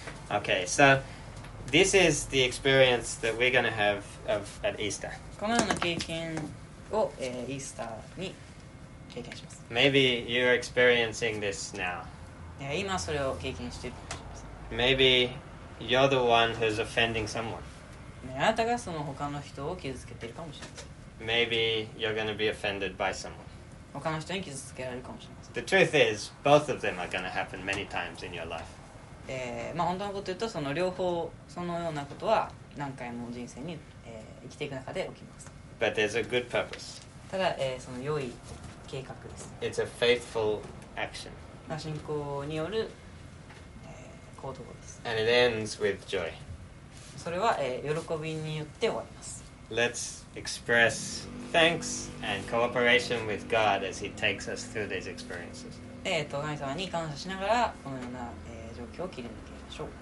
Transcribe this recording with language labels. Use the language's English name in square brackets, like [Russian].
[English] Okay, so this is the experience that we're going to have at Easter. [Japanese] このような経験を、イースターに経験します。 [English] Maybe you're experiencing this now. [Japanese] 今それを経験しているかもしれません。 [English] Maybe you're the one who's offending someone.、 [Japanese] ね、あなたがその他の人を傷つけているかもしれません。 [English] Maybe you're going to be offended by someone. [Japanese] 他の人に傷つけられるかもしれません。 [English] The truth is, both of them are going to happen many times in your life.、 [Japanese] まあ、本当のこと言うと、その両方、そのようなことは何回も人生に、生きていく中で起きます。 [English] But there's a good purpose. [Japanese] ただ、その良い計画です。 [English] It's a faithful action. [Japanese] 信仰による、行動です。 [English] And it ends with joy. [Japanese] それは、喜びによって終わります。 [English] Let's express thanks and cooperation with God as He takes us through these experiences. [Japanese] 神様に感謝しながらこのような、状況を切り抜けましょう。